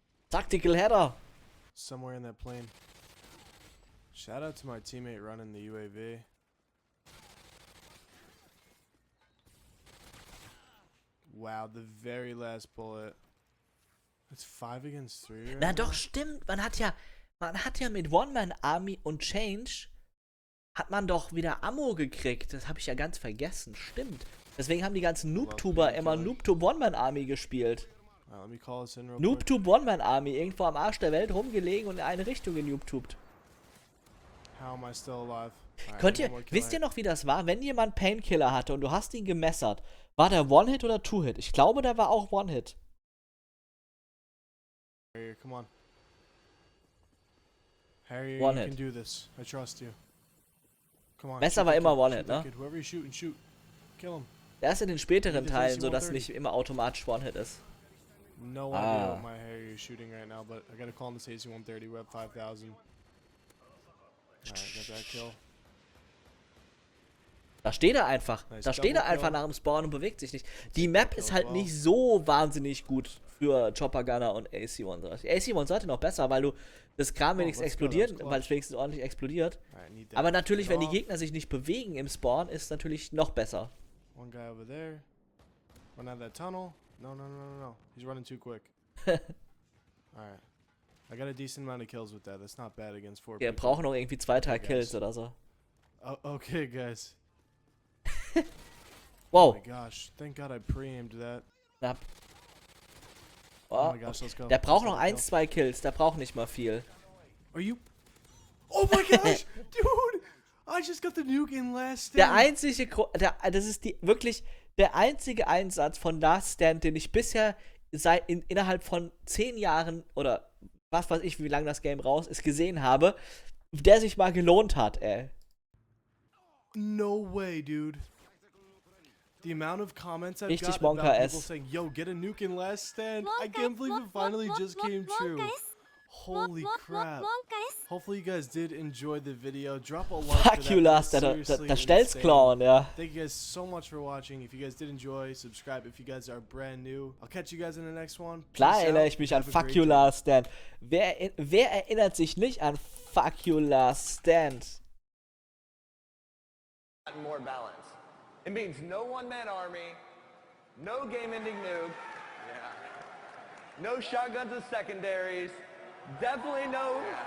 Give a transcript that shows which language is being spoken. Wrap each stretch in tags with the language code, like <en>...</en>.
<en>Tactical header. Somewhere in that plane. Shout out to my teammate running the UAV. Wow, the very last bullet. It's 5 against 3. Right</en> <de>Na doch, stimmt. Man hat ja mit One-Man-Army und Change hat man doch wieder Ammo gekriegt. Das habe ich ja ganz vergessen. Stimmt. Deswegen haben die ganzen Noob-Tuber immer Noob-Tube-One-Man-Army gespielt. Noob-Tube-One-Man-Army. Irgendwo am Arsch der Welt rumgelegen und in eine Richtung genoob-tubed.</de> <en>How am I still alive?</en> <de>Wisst ihr noch, wie das war? Wenn jemand Painkiller hatte und du hast ihn gemessert, war der One-Hit oder Two-Hit? Ich glaube, der war auch One-Hit.</de> <en>Hey, come on. Harry, one you hit. Can do this. I trust you. Come on.</en> <de>Messer war immer One-Hit, ne?</de> <en>Whoever you shoot. Kill him.</en> <de>Erst in den späteren Teilen, sodass nicht immer automatisch One-Hit ist.</de> <en>No idea what my Harry is shooting right now, but I gotta call him this AC-130. We have 5,000. Alright, got that kill.</en> <de>Da steht er einfach. Nice, da steht er einfach nach dem Spawn und bewegt sich nicht. Die Map ist halt nicht so wahnsinnig gut für Chopper Gunner und AC-130. AC-130 sollte noch besser, weil du das Kram wenigstens explodiert, weil es wenigstens ordentlich explodiert. Aber natürlich, wenn die Gegner sich nicht bewegen im Spawn, ist es natürlich noch besser.</de> <en>One guy over there. One out of that tunnel. No. He's running too quick. Alright. I got a decent amount of kills with that. That's not bad against 4 people.</en> <de>Wir brauchen noch irgendwie 2-3 Kills oder so.</de> <en>Okay, guys. Wow. Oh my gosh, thank God I pre-aimed that.</en> <de>Knapp.</de> <en>Oh my gosh, let's go.</en> <de>Der braucht noch 1-2 Kills, der braucht nicht mal viel.</de> <en>Are you? Oh my gosh, dude! I just got the nuke in Last Stand.</en> <de>Das ist wirklich der einzige Einsatz von Last Stand, den ich bisher innerhalb von 10 Jahren oder was weiß ich, wie lange das Game raus ist, gesehen habe, der sich mal gelohnt hat, ey.</de> <en>No way, dude. The amount of comments I've</en> <de>richtig</de> <en>got about people saying, yo, get a nuke in Last Stand. I can't believe it finally just came true. Holy crap. Hopefully you guys did enjoy the video. Drop a like. Fuck you, Last Stand.</en> <de>Der Stelzclown, ja.</de> <en>Thank you guys so much for watching. If you guys did enjoy, subscribe if you guys are brand new. I'll catch you guys in the next one.</en> <de>Klar erinnere ich mich an</de> <en>Fuck You, Last Stand.</en> <de>Wer erinnert sich nicht an Fuck You, Last Stand?</de> <en>And more balance. It means no one-man army, no game-ending noob, yeah. No shotguns as secondaries, definitely no,</en>